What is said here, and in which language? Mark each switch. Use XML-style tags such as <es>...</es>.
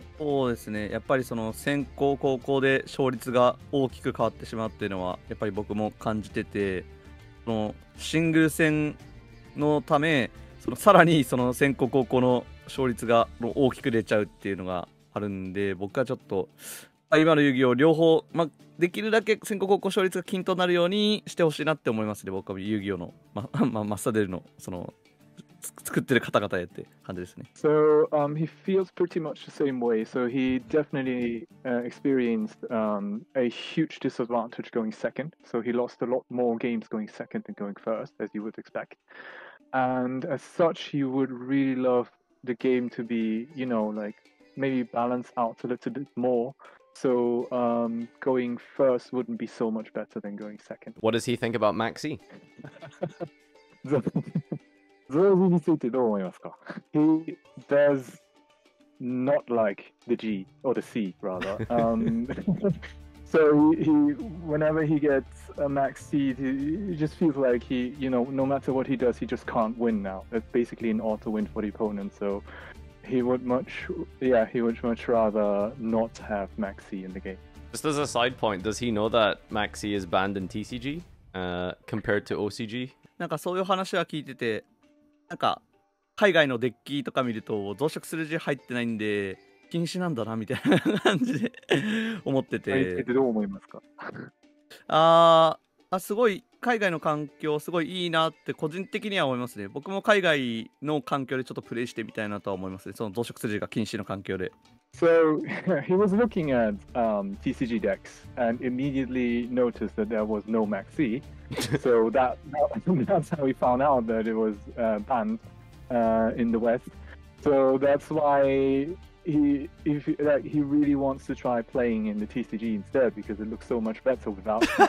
<ja>そうですね、やっぱりその先行後攻で勝率が大きく変わってしまうっていうのはやっぱり僕も感じてて、そのシングル戦のためそのさらにその先行後攻の勝率が大きく出ちゃうっていうのがあるんで、僕はちょっと今の遊戯を両方、まあ、できるだけ先行後攻勝率が均等になるようにしてほしいなって思いますね。僕は遊戯王の、まあ、マスターデルのその作ってる方々へって感じですね。</ja> <en>So, he feels pretty much the same way. So he definitely experienced a huge disadvantage going second. So he lost a lot more games going second than going first, as you would expect. And as such, he would really love the game to be, you know, like maybe balance out a little bit more. So going first wouldn't be so much better than going second. What does he think about Maxi?</en> <ja>Zerzu についてどう思いますか?</ja> <en>He does not like the G, or the C, rather. So he whenever he gets a max seed, he just feels like he, you know, no matter what he does, he just can't win now. It's basically an auto win for the opponent. So he would much rather not have max C in the game. Just as a side point, does he know that max C is banned in TCG compared to OCG?</en> <ja>なんかそういう話は聞いてて、なんか海外のデッキとか見ると増殖する字入ってないんで禁止なんだなみたいな感じで思ってて。はい、どう思いますか？ああ、すごい海外の環境すごいいいなって個人的には思いますね。僕も海外の環境でちょっとプレイしてみたいなとは思いますね。その増殖する字が禁止の環境で。</ja> <en>So he was looking at TCG decks and immediately noticed that there was no Maxi. So that's how he found out that it was banned in the West. So that's why he really wants to try playing in the TCG instead because it looks so much better without.</en>